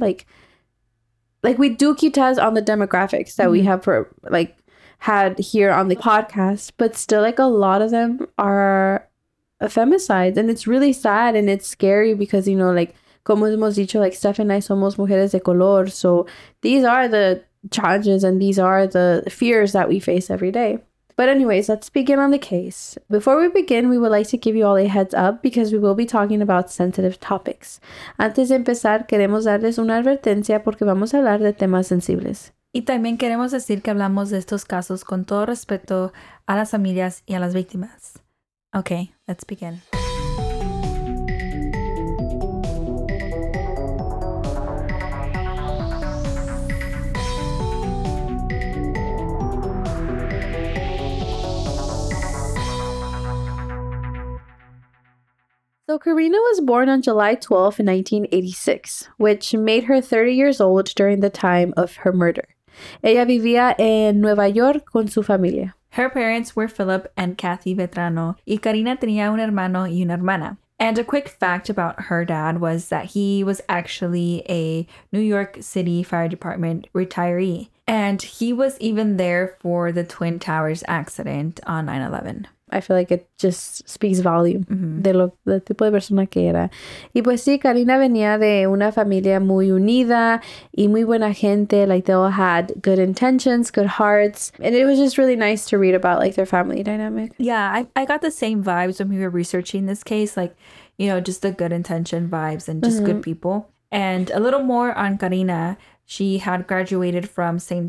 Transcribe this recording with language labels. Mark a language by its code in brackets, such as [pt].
[en] Like we do keep tabs on the demographics that mm-hmm. we have had here on the podcast, but still like a lot of them are femicides, and it's really sad and it's scary because, you know, like, [es] como hemos dicho, [en] like, Steph and I [es] somos mujeres de color. [en] So these are the challenges and these are the fears that we face every day. But anyways, let's begin on the case. Before we begin, we would like to give you all a heads up because we will be talking about sensitive topics. [es] Antes de empezar, queremos darles una advertencia porque vamos a hablar de temas sensibles. Y también queremos decir que hablamos de estos casos con todo respeto a las familias y a las víctimas. [en] Okay, let's begin. So Karina was born on July 12th, 1986, which made her 30 years old during the time of her murder. [es] Ella vivía en Nueva York con su familia. [en] Her parents were Philip and Kathy Vetrano, [es] y Karina tenía un hermano y una hermana. [en] And a quick fact about her dad was that he was actually a New York City Fire Department retiree, and he was even there for the Twin Towers accident on 9/11. I feel like it just speaks volume mm-hmm. [es] de lo del tipo de persona que era. Y pues sí, Karina venía de una familia muy unida y muy buena gente. [en] Like, they all had good intentions, good hearts. And it was just really nice to read about, like, their family dynamic. Yeah, I got the same vibes when we were researching this case. Like, you know, just the good intention vibes and just mm-hmm. good people. And a little more on Karina. She had graduated from St.